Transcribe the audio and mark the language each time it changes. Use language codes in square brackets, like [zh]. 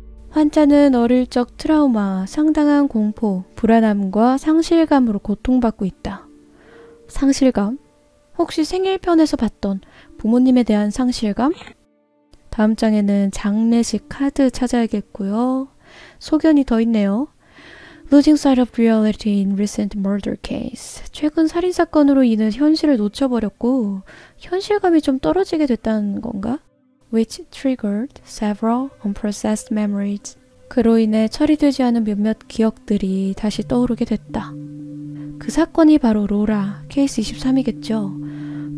[ko] 환자는 어릴 적 트라우마, 상당한 공포, 불안함과 상실감으로 고통받고 있다. 상실감? 혹시 생일편에서 봤던 부모님에 대한 상실감? 다음 장에는 장례식 카드 찾아야겠고요. 소견이 더 있네요. [en] Losing sight of reality in recent murder case. [ko] 최근 살인사건으로 인해 현실을 놓쳐버렸고 현실감이 좀 떨어지게 됐다는 건가? [en] Which triggered several unprocessed memories. [ko] 그로 인해 처리되지 않은 몇몇 기억들이 다시 떠오르게 됐다. 그 사건이 바로 로라 케이스 23이겠죠.